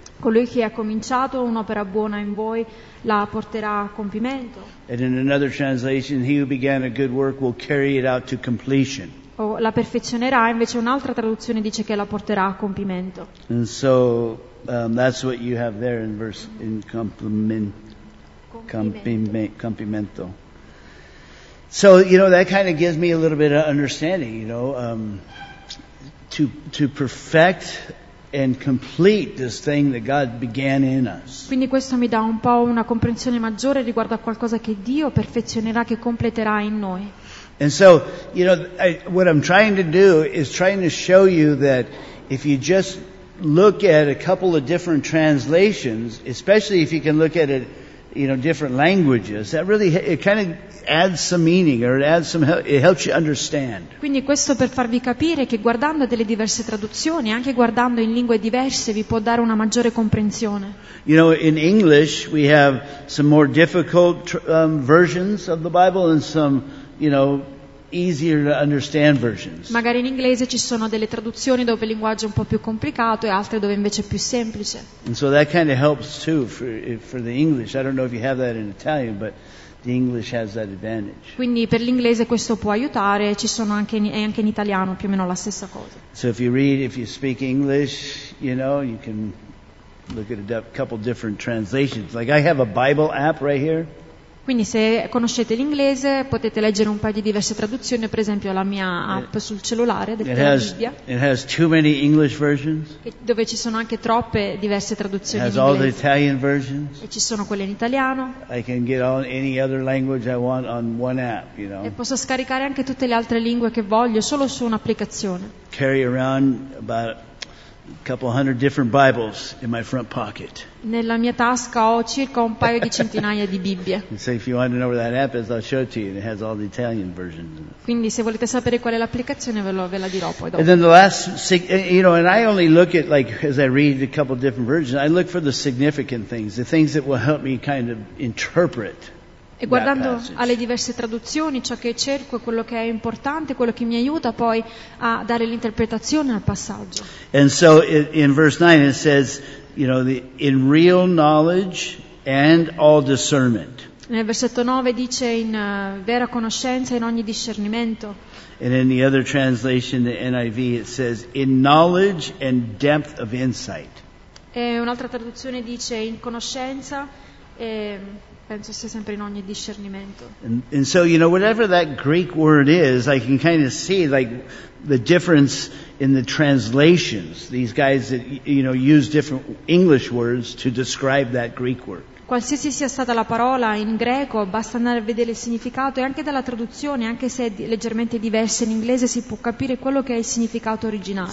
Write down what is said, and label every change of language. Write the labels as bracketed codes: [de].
[it] Colui che ha cominciato un'opera buona in voi la porterà a compimento. [en] And in another translation, he who began a good work will carry it out to completion. [it] o la perfezionerà, invece un'altra traduzione dice che la porterà a compimento. [en] And so that's what you have there in verse [it] in compimento. [en] So, you know, that kind of gives me a little bit of understanding, you know, to perfect and complete this thing that God began in us. [it] Quindi questo mi dà un po' una comprensione maggiore riguardo a qualcosa che Dio perfezionerà, che completerà in noi. [en] And so, you know, what I'm trying to do is trying to show you that if you just look at a couple of different translations, especially if you can look at it, you know, different languages, that really, it kind of adds some meaning, or it adds some, it helps you understand. [it] Quindi questo per farvi capire che guardando delle diverse traduzioni, anche guardando in lingue diverse, vi può dare una maggiore comprensione. [en] You know, in English we have some more difficult versions of the Bible and some, you know, easier to understand versions. [it] Magari in inglese ci sono delle traduzioni dove il linguaggio è un po' più complicato e altre dove invece è più semplice. [en] And so that kind of helps too for the English. I don't know if you have that in Italian, but the English has that advantage. [it] Quindi per l'inglese questo può aiutare, ci sono anche in italiano più o meno la stessa cosa. [en] So if you read, if you speak English, you know, you can look at a couple different translations. Like I have a Bible app right here. [it] Quindi se conoscete l'inglese potete leggere un paio di diverse traduzioni, per esempio la mia app sul cellulare, detta Bibbia. [en] It has too many English versions. [it] Dove ci sono anche troppe diverse traduzioni in inglese. [en] All the Italian versions. [it] E ci sono quelle in italiano. [en] I can get on any other language I want on one app, you know. [it] E posso scaricare anche tutte le altre lingue che voglio solo su un'applicazione. [en] Carry around about couple hundred different Bibles in my front pocket. [it] Nella mia tasca ho circa un paio di centinaia di Bibbie. [en] So if you want to know where that app is, I'll show it to you. It has all the Italian versions. [it] Quindi se volete sapere qual è l'applicazione, ve la dirò poi dopo. [en] And then the last, you know, and I only look at, like, as I read a couple different versions, I look for the significant things, the things that will help me kind of interpret. [it] E guardando alle diverse traduzioni, ciò che cerco è quello che è importante, quello che mi aiuta poi a dare l'interpretazione al passaggio. [en] And so in verse 9 it says, you know, in real knowledge and all discernment. [it] Nel versetto 9 dice in vera conoscenza e in ogni discernimento. [en] And in the other translation, the NIV, it says in knowledge and depth of insight. [it] E un'altra traduzione dice in conoscenza e penso sia sempre in ogni discernimento. [en] And so, you know, whatever that Greek word is, I can kind of see, like, the difference in the translations. These guys that, you know, use different English words to describe that Greek word. [it] Qualsiasi sia stata la parola in greco, basta andare a vedere il significato, e anche dalla traduzione, anche se è leggermente diversa in inglese, si può capire quello che è il significato originale.